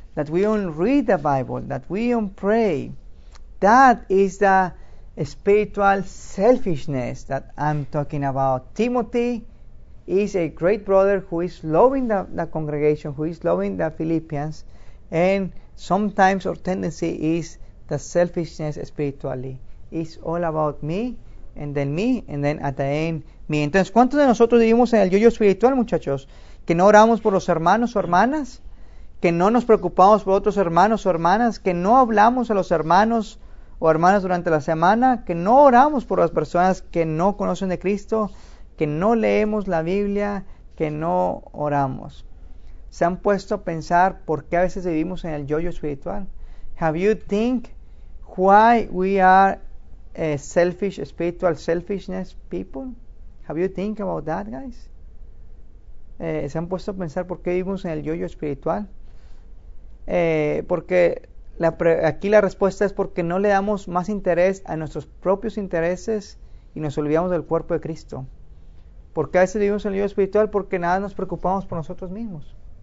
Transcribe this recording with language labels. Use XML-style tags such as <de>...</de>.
<en>That we don't read the Bible. That we don't pray. That is the spiritual selfishness that I'm talking about. Timothy is a great brother who is loving the congregation, who is loving the Philippians. And sometimes our tendency is the selfishness spiritually. It's all about me. And then me, and then at the end, me.</en> <es>Entonces, ¿cuántos de nosotros vivimos en el yo-yo espiritual, muchachos? Que no oramos por los hermanos o hermanas, que no nos preocupamos por otros hermanos o hermanas, que no hablamos a los hermanos o hermanas durante la semana, que no oramos por las personas que no conocen de Cristo, que no leemos la Biblia, que no oramos. ¿Se han puesto a pensar por qué a veces vivimos en el yo-yo espiritual?</es> <en>Have you think why we are selfish, spiritual selfishness people? Have you think about that, guys?</en> <es>¿Se han puesto a pensar por qué vivimos en el yo-yo espiritual? Porque aquí la respuesta es porque no le damos más interés a nuestros propios intereses y nos olvidamos del cuerpo de Cristo. ¿Por qué a veces vivimos en el yo-yo espiritual? Porque nada nos preocupamos por nosotros mismos.</es>